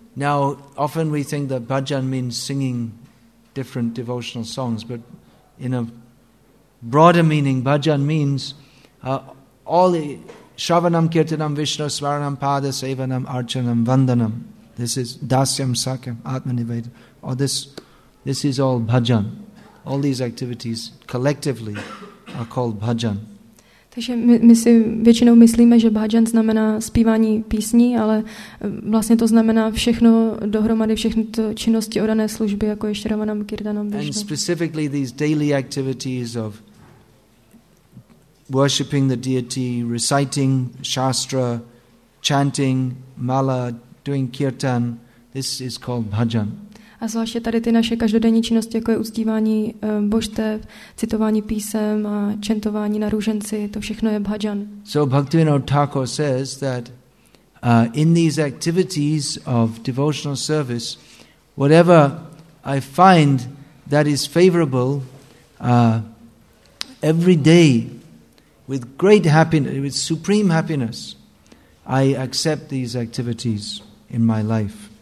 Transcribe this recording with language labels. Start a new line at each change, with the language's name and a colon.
English: Now often we think that bhajan means singing different devotional songs, but in a broader meaning, bhajan means all the
Sanskrit: Shravanam Kirtanam Vishnu Svaranam Pada Sevanam Archanam Vandanam.
English: This is
Sanskrit: Dasyam Sakyam Atmanivedam.
English: Or this is all bhajan. All these activities collectively are called bhajan.
Czech: Takže my si většinou myslíme, že bhajan znamená zpívání písní, ale vlastně to znamená všechno dohromady, všechny činnosti odané služby, jako je
Sanskrit: Shravanam Kirtanam Vishnu.
English: And specifically these daily activities of worshipping the deity, reciting shastra, chanting mala, doing kirtan, this is called bhajan.
Czech: A zvláště tady ty naše každodenní činnosti, jako je uctívání božstev, citování písem a čentování na růženci, to všechno je bhajan.
English: So Bhaktivinoda Thakur says that in these activities of devotional service, whatever I find that is favorable, every day, with great happiness, with supreme happiness, I accept these activities in my life.